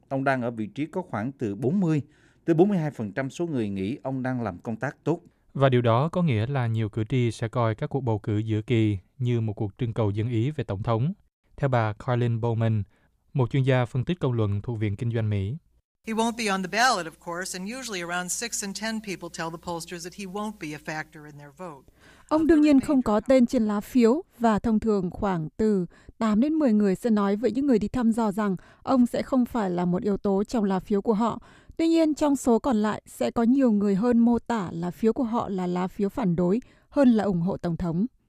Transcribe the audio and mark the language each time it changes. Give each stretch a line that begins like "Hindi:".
Vietnamese: Ông đang ở vị trí có khoảng từ 40-42% số người nghĩ ông đang làm công tác tốt. Và điều đó có nghĩa là nhiều cử tri sẽ coi các cuộc bầu cử giữa kỳ như một cuộc trưng cầu dân ý về Tổng thống. Theo bà Carlin Bowman, một chuyên gia phân tích công luận thuộc Viện Kinh doanh Mỹ.
English: He won't be on the ballot, of course, and usually around 6 in 10 people tell the pollsters that he won't be a factor in their vote.
Vietnamese: Ông đương nhiên không có tên trên lá phiếu và thông thường khoảng từ 8 đến 10 người sẽ nói với những người đi thăm dò rằng ông sẽ không phải là một yếu tố trong lá phiếu của họ. Tuy nhiên, trong số còn lại sẽ có nhiều người hơn mô tả lá phiếu của họ là lá phiếu phản đối hơn là ủng hộ Tổng thống.